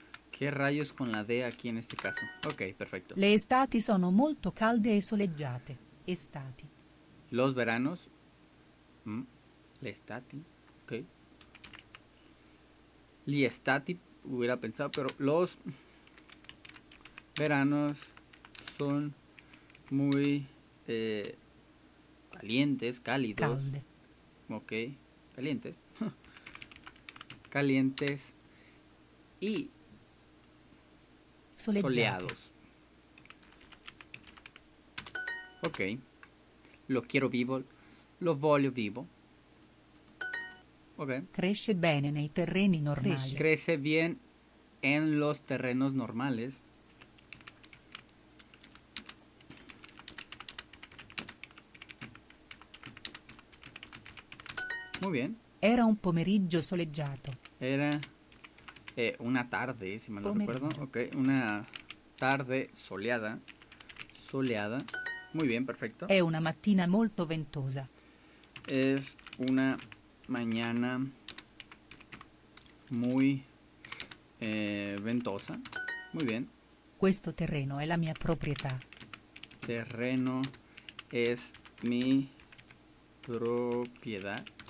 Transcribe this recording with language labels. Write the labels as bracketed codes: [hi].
[es] ¿Qué rayos con la D aquí en este caso? Ok, perfecto. [it] Le estati sono molto calde e soleggiate. Estati. [es] Los veranos. [it] Le estati. [es] Ok. [it] Li estati, [es] hubiera pensado, pero los veranos son muy calientes, cálidos. [it] Calde. [es] Ok, calientes. Calientes y soleados. Ok. Lo quiero vivo. [it] Lo voglio vivo. [es] Ok. [it] Cresce bene nei terreni normali. [es] Crece bien en los terrenos normales. Muy bien. [it] Era un pomeriggio soleggiato. [es] Era una tarde, si mal no recuerdo. Ok, una tarde soleada. Soleada. Muy bien, perfecto. [it] È una mattina molto ventosa. [es] Es una mañana muy ventosa. Muy bien. [it] Questo terreno è la mia proprietà. [es] Terreno es mi propiedad.